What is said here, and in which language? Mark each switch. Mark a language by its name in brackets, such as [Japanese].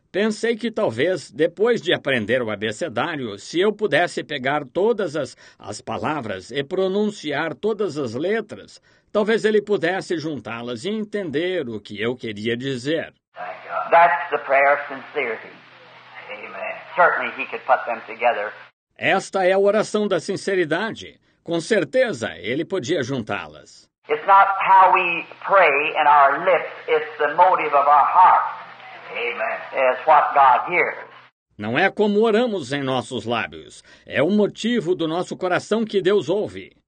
[Portuguese] Pensei que talvez, depois de aprender o abecedário, se eu pudesse pegar todas as palavras e pronunciar todas as letras, talvez ele pudesse juntá-las e entender o que eu queria dizer. [English] That's the prayer of sincerity. Amen. Certainly he could put them together. [Portuguese] Esta é a oração da sinceridade. Com certeza, ele podia juntá-las. [English] It's not how we pray in our lips, it's the motive of our heart. Amen. It's what God hears. [Portuguese] Não é como oramos em nossos lábios, é o motivo do nosso coração que Deus ouve.